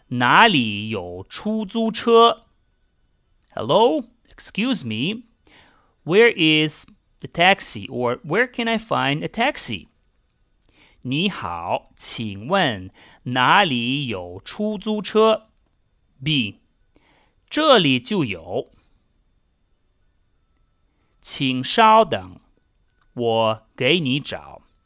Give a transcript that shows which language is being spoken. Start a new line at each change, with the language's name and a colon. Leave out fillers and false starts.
Chinese: 你好,请问,哪里有出租车?
English: Hello, excuse me. Where is the taxi, or where can I find a taxi?
Chinese: 你好,请问,哪里有出租车? B. 这里就有,请稍等,我给你找.